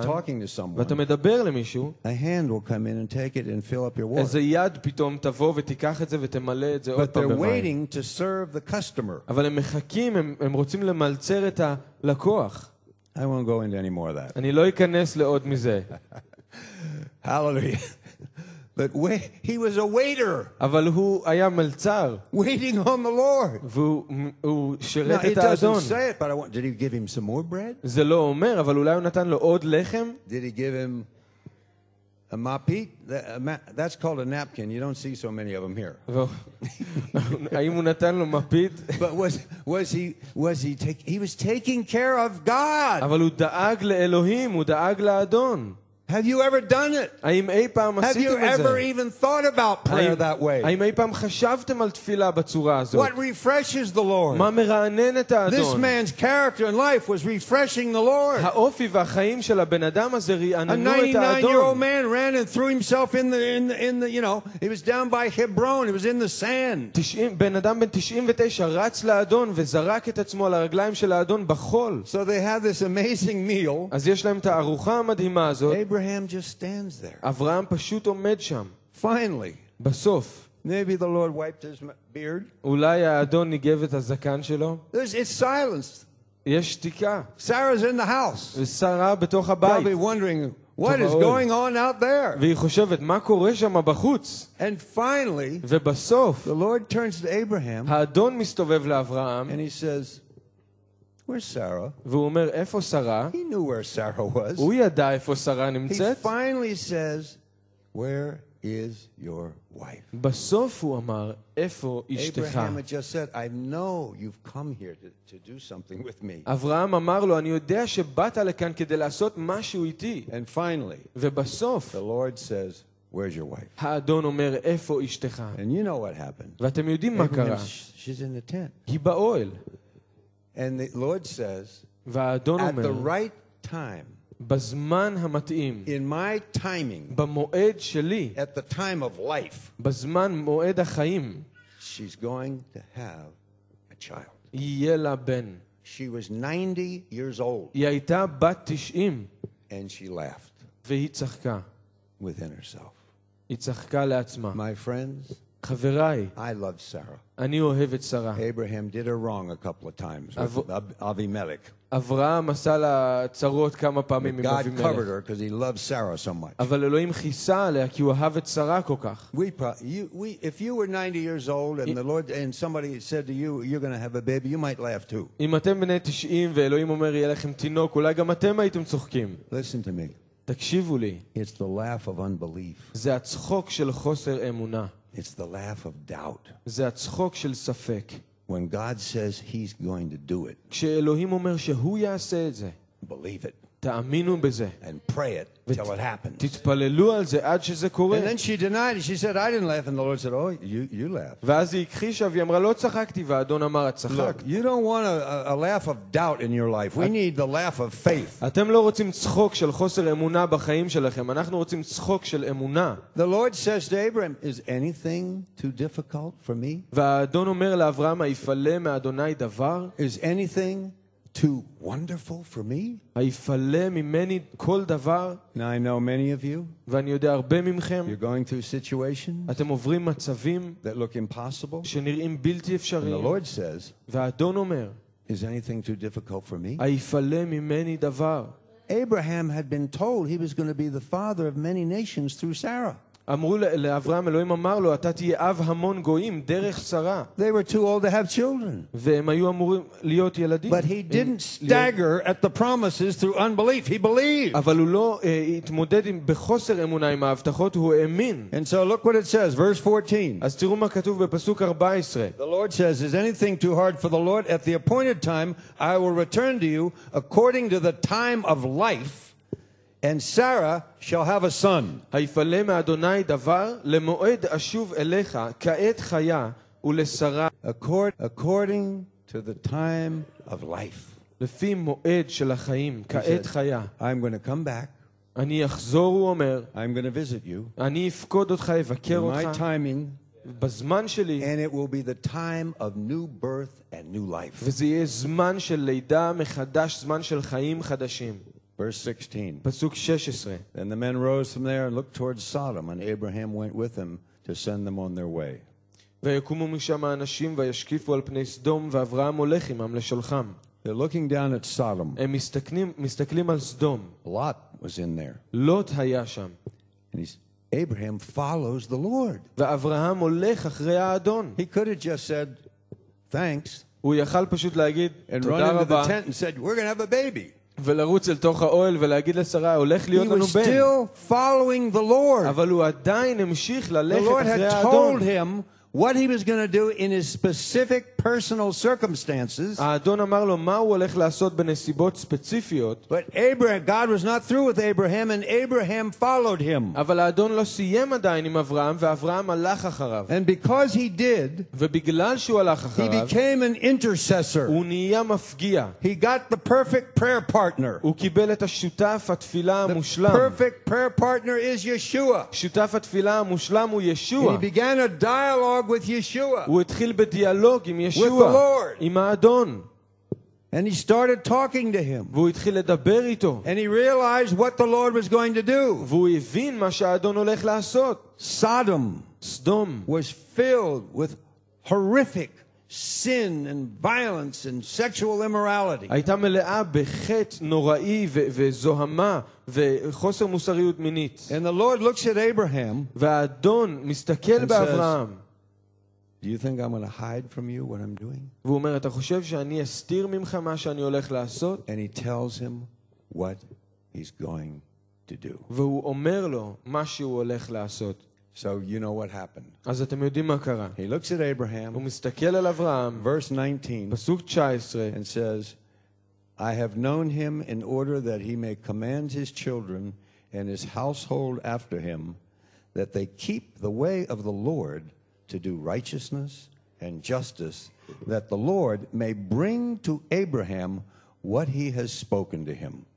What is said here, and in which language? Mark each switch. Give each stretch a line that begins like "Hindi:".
English: You're talking to someone.
Hebrew: ואתה מדבר למישהו.
English: A hand will come in and take it and fill up your water.
Hebrew: איזה יד פתאום תבוא ותיקח את זה ותמלא את זה עוד פעם במים.
English: But they're waiting to serve the customer.
Hebrew: אבל הם מחכים, הם רוצים למלצר את הלקוח.
English: I won't go into any more of that.
Hebrew: אני לא אכנס לעוד מזה.
English: Hallelujah. But he was a waiter.
Hebrew: אבל הוא היה מלצר.
English: Waiting on the Lord.
Hebrew: והוא שירת את האדון.
English: Now, it doesn't say it, but did he give him some more bread?
Hebrew: זה לא אומר, אבל אולי הוא נתן לו עוד לחם?
English: Did he give him a mapit? That's called a napkin. You don't see so many of them here.
Hebrew: האם הוא נתן לו מפית?
English: But was he taking care of God.
Hebrew: אבל הוא דאג לאלוהים, הוא דאג לאדון.
English: Have you ever done it?
Hebrew: האם אי פעם עשיתם את זה?
English: Have you ever even thought about prayer that way?
Hebrew: האם אי פעם חשבתם על תפילה בצורה הזאת?
English: What refreshes the Lord?
Hebrew: מה מרענן את האדון?
English: This man's character and life was refreshing the Lord.
Hebrew: האופי והחיים של הבן אדם הזה רעננו את האדון.
English: A 99-year-old man ran and threw himself in the you know, he was down by Hebron, he was in the sand.
Hebrew: בן אדם בן 99 רץ לאדון וזרק את עצמו על הרגליים של האדון בחול.
English: So they had this amazing meal.
Hebrew: אז יש להם את הארוחה המדהימה הזאת.
English: Abraham just stands there.
Hebrew: אברהם פשוט עומד שם.
English: Finally.
Hebrew: בסוף.
English: Maybe the Lord wiped his beard.
Hebrew: אולי האדון ניגב את הזקן שלו.
English: It's silence.
Hebrew: יש שתיקה.
English: Sarah's in the house.
Hebrew: ושרה בתוך הבית.
English: Probably wondering, What is going on out there?
Hebrew: והיא חושבת, מה קורה שם בחוץ?
English: And finally,
Hebrew: ובסוף,
English: the Lord turns to Abraham,
Hebrew: האדון מסתובב לאברהם,
English: and he says, where's Sarah?
Hebrew: והוא אומר, איפה שרה?
English: He knew where Sarah was.
Hebrew: הוא ידע איפה שרה נמצאת.
English: He finally says, where is your wife?
Hebrew: בסוף הוא אמר, איפה אשתך?
English: Abraham had just said, I know you've come here to do something with me.
Hebrew: אברהם אמר לו, אני יודע שבאת לכאן כדי לעשות משהו איתי.
English: And finally,
Hebrew: ובסוף,
English: the Lord says, where's your wife?
Hebrew: האדון אומר, איפה אשתך?
English: And you know what happened.
Hebrew: ואתם יודעים מה קרה?
English: She's in the tent.
Hebrew: היא באוהל.
English: And the Lord says,
Hebrew: והאדון אומר,
English: at the right time,
Hebrew: בזמן המתאים,
English: in my timing,
Hebrew: במועד שלי,
English: at the time of life,
Hebrew: בזמן מועד החיים,
English: she's going to have a child.
Hebrew: יהיה לה בן.
English: She was 90 years old.
Hebrew: היא הייתה בת 90.
English: And she laughed.
Hebrew: והיא צחקה.
English: Within herself.
Hebrew: היא צחקה לעצמה.
English: My friends,
Hebrew: חבריי,
English: I love Sarah.
Hebrew: אני אוהב את שרה.
English: Abraham did her wrong a couple of times with Avimelech.
Hebrew: אברהם עשה לה צרות כמה פעמים עם אבימלך.
English: God covered her because he loved Sarah so much.
Hebrew: אבל אלוהים חיסה עליה כי הוא אהב את שרה כל כך.
English: If you were 90 years old and the Lord and somebody said to you, you're going to have a baby, you might laugh too.
Hebrew: אם אתם בני 90 ואלוהים אומר יהיה לכם תינוק, אולי גם אתם הייתם צוחקים.
English: Listen to me.
Hebrew: תקשיבו לי.
English: It's the laugh of unbelief.
Hebrew: זה הצחוק של חוסר אמונה.
English: It's the laugh of doubt.
Hebrew: זה הצחוק של ספק.
English: When God says he's going to do it,
Hebrew: כשאלוהים אומר שהוא יעשה את זה,
English: believe it.
Hebrew: תאמינו בזה.
English: And pray it till it happens.
Hebrew: תתפללו על זה עד שזה קורה.
English: And then she denied it. She said, I didn't laugh. And the Lord said, oh, you laughed.
Hebrew: ואז היא הכחישה והיא אמרה, לא צחקתי. והאדון אמר, צחק.
English: Look, you don't want a laugh of doubt in your life. We need the laugh of faith.
Hebrew: אתם לא רוצים צחוק של חוסר אמונה בחיים שלכם. אנחנו רוצים צחוק של אמונה.
English: The Lord says to Abraham, is anything too difficult for me?
Hebrew: והאדון אומר לאברהם, היפלא מאדוני דבר?
English: Is anything too wonderful for me?
Hebrew: היפלא ממני כל דבר.
English: Now I know many of you.
Hebrew: ואני יודע הרבה ממכם.
English: You're going through situations.
Hebrew: אתם עוברים מצבים.
English: That look impossible.
Hebrew: שנראים בלתי אפשריים.
English: The Lord says.
Hebrew: והאדון אומר.
English: Is anything too difficult for me?
Hebrew: היפלא ממני דבר.
English: Abraham had been told he was going to be the father of many nations through Sarah.
Hebrew: אמרו לאברהם, אלוהים אמר לו, אתה תהיה אב המון גויים דרך שרה.
English: They were too old to have children.
Hebrew: והם היו אמורים להיות ילדים.
English: But he didn't stagger at the promises through unbelief. He believed.
Hebrew: אבל הוא לא התמודד בחוסר אמונה עם ההבטחות, הוא האמין.
English: And so look what it says, verse 14.
Hebrew: אז תראו מה כתוב בפסוק 14.
English: The Lord says, is anything too hard for the Lord? At the appointed time, I will return to you according to the time of life. And Sarah shall have a son.
Hebrew: היפלא מאדוני דבר למועד אשוב אליך כעת חיה ולשרה.
English: According to the time of life.
Hebrew: לפי מועד של החיים כעת חיה.
English: I'm going to come back.
Hebrew: אני אחזור, הוא אומר.
English: I'm going to visit you.
Hebrew: אני אפקוד אותך, אבקר אותך.
English: My timing.
Hebrew: בזמן שלי.
English: And it will be the time of new birth and new life.
Hebrew: וזה יהיה זמן של לידה מחדש, זמן של חיים חדשים.
English: Verse 16. Then the men rose from there and looked towards Sodom, and Abraham went with them to send them on their way.
Hebrew: ויקומו משם האנשים וישקיפו על פני סדום, ואברהם הולך עמם לשולחם.
English: They're looking down at Sodom.
Hebrew: הם מסתכלים על סדום.
English: Lot was in there.
Hebrew: לוט היה שם.
English: And Abraham follows the Lord.
Hebrew: ואברהם הולך אחרי האדון.
English: He could have just said, thanks.
Hebrew: הוא יכל פשוט להגיד, תודה רבה.
English: And run into the tent and said, we're going to have a baby.
Hebrew: ולרוץ אל תוך האוהל ולהגיד לשרה הולך להיות לנו בן.
English: He was still following the Lord.
Hebrew: אבל הוא עדיין המשיך ללכת אחרי האדון.
English: The Lord had told him what he was going to do in his specific personal circumstances.
Hebrew: האדון אמר לו מה הוא הולך לעשות בנסיבות ספציפיות.
English: But Abraham, God was not through with Abraham and Abraham followed him.
Hebrew: אבל האדון לא סיים עדיין עם אברהם ואברהם הלך אחריו.
English: And because he did,
Hebrew: ובגלל שהוא הלך אחריו,
English: he became an intercessor.
Hebrew: הוא נהיה מפגיע.
English: He got the perfect prayer partner.
Hebrew: הוא קיבל את השותף התפילה המושלם.
English: The perfect prayer partner is Yeshua.
Hebrew: שותף התפילה המושלם הוא ישוע.
English: He began a dialogue with Yeshua.
Hebrew: הוא התחיל בדיאלוג עם ישוע,
English: with the Lord.
Hebrew: עם האדון.
English: And he started talking to him.
Hebrew: והוא התחיל לדבר איתו.
English: And he realized what the Lord was going to do.
Hebrew: והוא הבין מה שהאדון הולך לעשות.
English: Sodom,
Hebrew: סדום,
English: was filled with horrific sin and violence and sexual immorality.
Hebrew: הייתה מלאה בחטא נוראי וזוהמה וחוסר מוסריות מינית.
English: And the Lord looks at Abraham.
Hebrew: והאדון מסתכל באברהם.
English: Do you think I'm going to hide from you what I'm doing?
Hebrew: והוא אומר, אתה חושב שאני אסתיר ממך מה שאני הולך לעשות?
English: And he tells him what he's going to do.
Hebrew: והוא אומר לו מה שהוא הולך לעשות.
English: So you know what happened.
Hebrew: אז אתם יודעים מה קרה.
English: He looks at Abraham.
Hebrew: הוא מסתכל על אברהם.
English: Verse 19.
Hebrew: פסוק 19.
English: And says, I have known him in order that he may command his children and his household after him, that they keep the way of the Lord to do righteousness and justice, that the Lord may bring to Abraham what he has spoken to him.